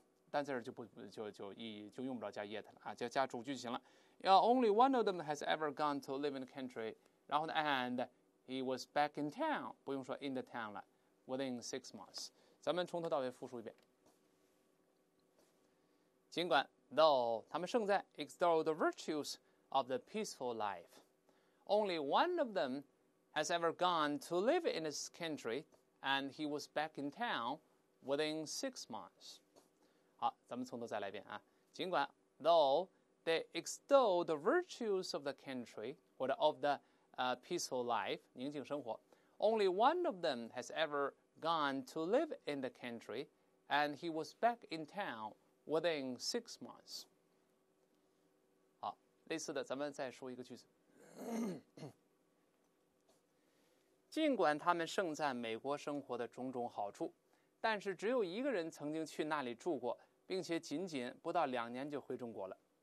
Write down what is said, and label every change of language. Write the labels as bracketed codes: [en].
[zh] 但在这就用不着加 [en] yet [zh] 了、啊、就加主句就行了， [en] yeah, only one of them has ever gone to live in the country， [zh] 然后呢 [en] and he was back in town， [zh] 不用说 [en] in the town 了， within 6 months， [zh] 咱们从头到尾复述一遍，尽管 [en] though [zh] 他们胜在 [en] extol the virtues of the peaceful life， only one of themhas ever gone to live in his country, and he was back in town within 6 months. [zh] 好，咱们从头再来一遍啊。尽管 [en] though they extol the virtues of the country, 或者 of the、peaceful life, [zh] 宁静生活, [en] only one of them has ever gone to live in the country, and he was back in town within 6 months. [zh] 好，类似的，咱们再说一个句子。尽管他们盛赞美国生活的种种好处，但是只有一个人曾经去那里住过，并且仅仅不到2年就回中国了。